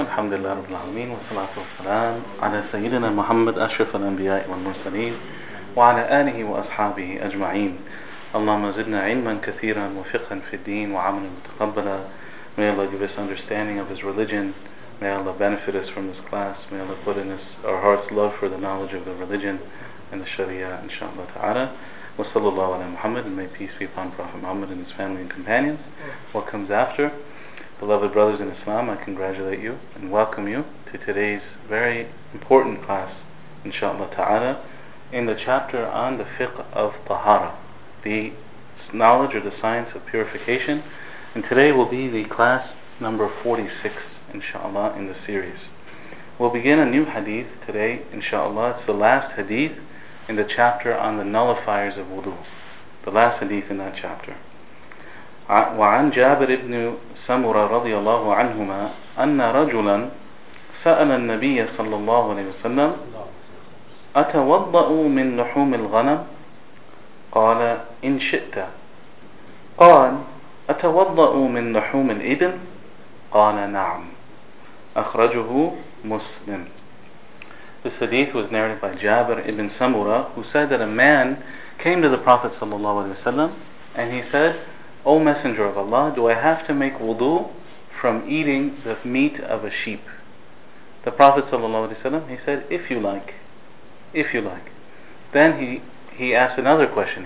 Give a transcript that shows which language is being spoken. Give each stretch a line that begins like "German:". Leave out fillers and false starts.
Arabic: الحمد لله رب العالمين، والصلاة والسلام على سيدنا محمد أشرف الأنبياء والمرسلين وعلى آله وأصحابه أجمعين. اللهم زدنا علما كثيرا وفقها في الدين وعملا متقبلا.
English: May Allah give us understanding of His religion. May Allah benefit us from this class. May Allah put in us our heart's love for the knowledge of the religion and the Sharia, inshaAllah ta'ala.
Arabic: Wa sallallahu ala Muhammad,
English: and may peace be upon Prophet Muhammad and his family and companions. What comes after? Beloved brothers in Islam, I congratulate you and welcome you to today's very important class, inshaAllah ta'ala, in the chapter on the fiqh of tahara, the knowledge or the science of purification. And today will be the class number 46, inshaAllah, in the series. We'll begin a new hadith today, inshaAllah. It's the last hadith in the chapter on the nullifiers of wudu. The last hadith in that chapter.
Arabic: وعن جابر بن سمرة رضي الله عنهما أن رجلا سأل النبي صلى الله عليه وسلم أتوضأ من لحوم الغنم؟ قال إن شئت. قال أتوضأ من لحوم الإبل؟ قال نعم. أخرجه مسلم.
English: This hadith was narrated by Jabir ibn Samura, who said that a man came to the Prophet sallallahu alaihi wasallam and he said, O Messenger of Allah, do I have to make wudu from eating the meat of a sheep? The Prophet sallallahu alaihi wasallam, he said, if you like. Then he asked another question.